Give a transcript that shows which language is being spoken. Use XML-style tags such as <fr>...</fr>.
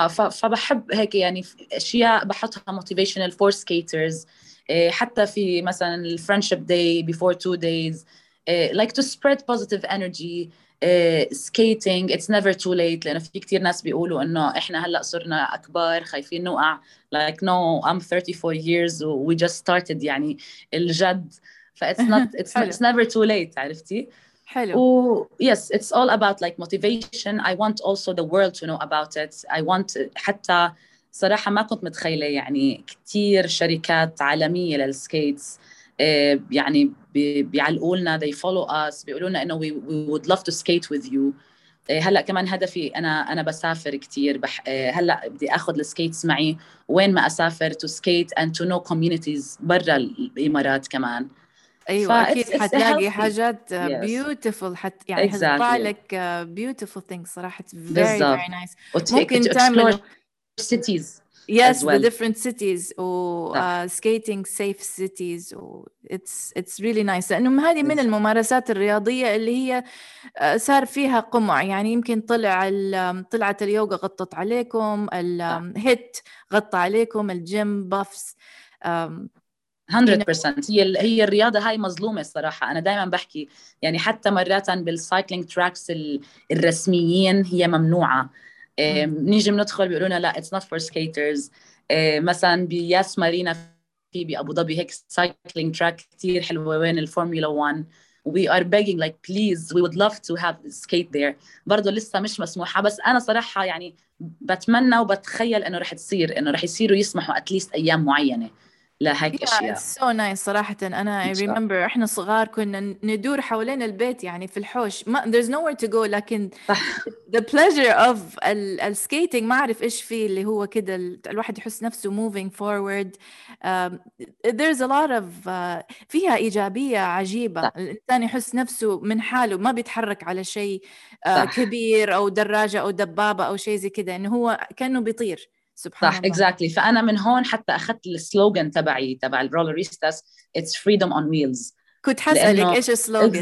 <ar>فبحب هيك يعني أشياء بحطها motivational for skaters. حتى في مثلا الفرنشيب داي</ar> <en>before 2 days. Like to spread positive energy. Skating it's never too late.</en> <ar>لأنه في كتير ناس بيقولوا إنه إحنا هلأ صرنا أكبر خايفين نوقع.</ar> <en>Like no I'm 34 years we just started.</en> <ar>يعني الجد.</ar> <en>It's never too late.</en> <ar>عرفتي؟ حلو.</ar> <en>Yes, it's all about like motivation. I want also the world to know about it. I want</en> <ar>حتى صراحة ما كنت متخيلة يعني كتير شركات عالمية للسكيتس يعني بيعلقوا لنا،</ar> <en>they follow us،</en> <ar>بيقولوا لنا إنه</ar> <en>we would love to skate with you.</en> <ar>هلا كمان هدفي أنا بسافر كتير، هلا بدي أخذ السكيتس معي وين ما أسافر</ar> <en>to skate and to know communities</en> <ar>برا الإمارات كمان. أيوة أكيد حتلاقي حاجات beautiful حتى يعني هتطلع لك</ar> <en>beautiful things</en> <ar>صراحة</ar> <en>very very nice.</en> <ar>ممكن تعمل cities.</ar> <en>Yes, the different cities or skating safe cities. It's really nice.</en> <ar>لأنه هذه من الممارسات الرياضية اللي هي صار فيها قمع، يعني يمكن طلعت اليوغا غطت عليكم، الهيت غطى عليكم، الجيم بافس</ar> <en>100%.</en> <ar>هي الرياضة هاي مظلومة صراحة. أنا دائما بحكي يعني حتى مرات بالسايكلينج تراكس الرسميين هي ممنوعة. نيجي مندخل بيقولونا لا</ar> <en>it's not for skaters.</en> <ar>مثلا بياس مارينا في بأبوظبي هيك سايكلينج تراك كتير حلوة وين الفورميلا 1،</ar> <en>we are begging like please we would love to have skate there.</en> <ar>برضو لسه مش مسموحة، بس أنا صراحة يعني بتمنى وبتخيل إنه رح تصير، إنه رح يصيروا يسمحوا أتليست أيام معينة لهيك أشياء.</ar> <en>It's so nice صراحة.</en> <ar>أنا</ar> <en>I remember</en> <ar>إحنا صغار كنا ندور حوالين البيت يعني في الحوش ما</ar> <en>there's nowhere to go،</en> <ar>لكن</ar> <en>the pleasure of</en> <ar>ال skating ما أعرف إيش فيه اللي هو كده الواحد يحس نفسه</ar> <en>moving forward. There's a lot of</en> <ar>فيها إيجابية عجيبة. الإنسان يحس نفسه من حاله ما بيتحرك على شيء كبير أو دراجة أو دبابة أو شيء زي كده، إنه هو كأنه بيطير. صح exactly. فأنا من هون حتى أخذت السلوغن تبعي تبع الروليريستاس</ar> <en>it's freedom on wheels.</en> <ar>كنت حسألك إيش السلوغن؟</ar>